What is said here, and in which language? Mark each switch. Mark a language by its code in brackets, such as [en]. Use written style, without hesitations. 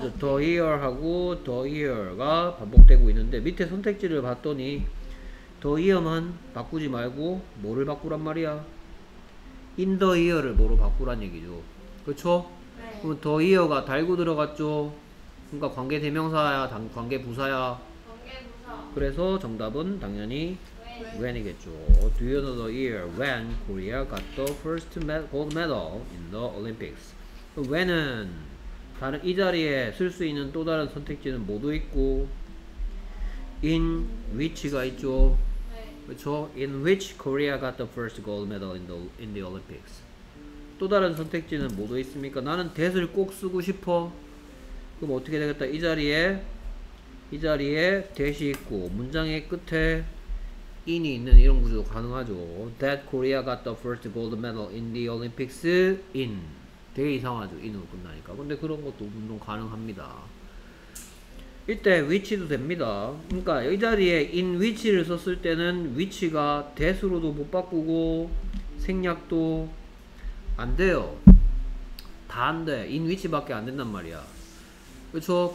[ko] 그렇죠. The year 하고 the year가 반복되고 있는데 밑에 선택지를 봤더니 the year만 바꾸지 말고 뭐를 바꾸란 말이야? in the year를 뭐로 바꾸란 얘기죠. 그렇죠? 네. 그럼 the year가 달고 들어갔죠. 그러니까 관계 대명사야, 관계 부사야. 관계 부사. 그래서 정답은 당연히 when이겠죠. [en] Do you know the year when Korea got the first gold medal in the Olympics? [ko] when은 다른 이 자리에 쓸 수 있는 또 다른 선택지는 모두 있고 in which가 있죠. 네. 그렇죠? [en] in which Korea got the first gold medal in the Olympics. [ko] 또 다른 선택지는 모두 있습니까? 나는 that을 꼭 쓰고 싶어. 그럼 어떻게 되겠다? 이 자리에 that이 있고 문장의 끝에 in이 있는 이런 구조도 가능하죠. [en] that Korea got the first gold medal in the Olympics in [ko] 되게 이상하죠. 인으로 끝나니까. 근데 그런 것도 운동 가능합니다. 이때 위치도 됩니다. 그러니까 이 자리에 in which를 썼을 때는 위치가 that으로도 못 바꾸고 생략도 안 돼요. 다 안 돼. in which밖에 안 된단 말이야. 그렇죠?